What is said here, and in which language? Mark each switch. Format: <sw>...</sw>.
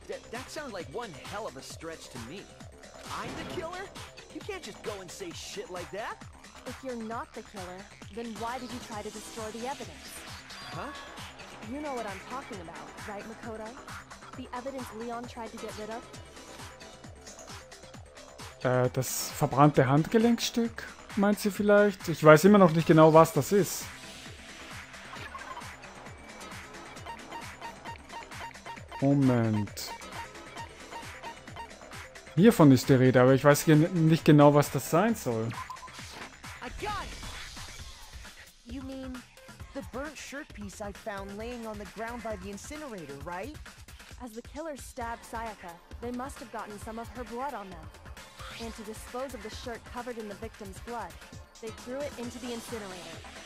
<en>That sounds like one hell of a stretch to me. I'm the killer? You can't just go and say shit like that. If you're not the killer, then why did you try to destroy the evidence? Huh? You know what I'm talking about, right, Makoto? The evidence Leon tried to get rid of?</en> <de>Das verbrannte Handgelenkstück? Meint sie vielleicht? Ich weiß immer noch nicht genau, was das ist. Moment. Hiervon ist die Rede, aber ich weiß nicht genau, was das sein soll.</de> <en>You mean the burnt shirt piece I found laying on the ground by the incinerator, right? As the killer stabbed Sayaka, they must have gotten some of her blood on them. And to dispose of the shirt covered in the victim's blood, they threw it into the incinerator.</en>